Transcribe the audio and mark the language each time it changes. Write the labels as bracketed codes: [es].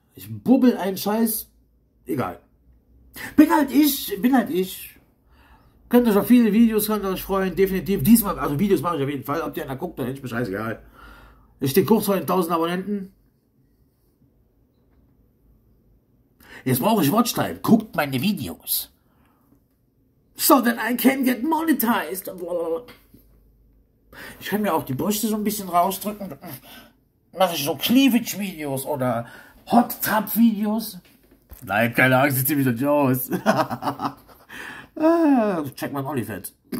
[de] Ich bubbel einen Scheiß. Egal. Bin halt ich. Könnt euch auf viele Videos, könnt euch freuen, definitiv. Diesmal, also Videos mache ich auf jeden Fall. Ob ihr einer guckt, dann ist mir scheißegal. Ich stehe kurz vor den 1000 Abonnenten. Jetzt brauche ich Watchtime. Guckt meine Videos. [en] So that I can get monetized. [de] Ich kann mir auch die Brüste so ein bisschen rausdrücken. Mache ich so Cleavage-Videos oder Hot-Tub-Videos. Nein, keine Angst, ich ziehe mich nicht aus. Check mein OnlyFans.